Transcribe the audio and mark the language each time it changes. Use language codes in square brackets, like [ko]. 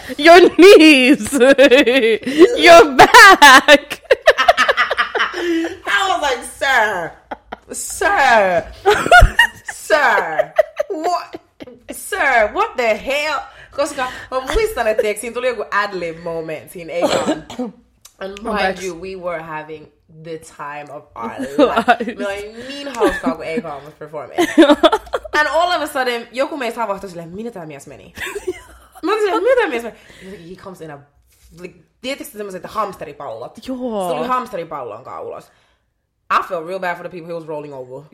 [en] Your knees! Your back! I was like, sir, what the hell? [fi] Koska mä muistan, että siinä tuli joku ad-lib moment siinä Akon. [en] And mind you, we were having the time of our life. [fi] Me olin niin hauskaa, kun Akon [en] was performing. And all of a sudden, [fi] joku meistä havahtui silleen, minne tämä mies meni? Mä olin silleen, mitä mies meni? [en] He comes in a... Like, [fi] tietysti semmoiset hamsteripallot. Joo. Se tuli hamsteripallon kanssa ulos. [en] I felt real bad for the people he was rolling over.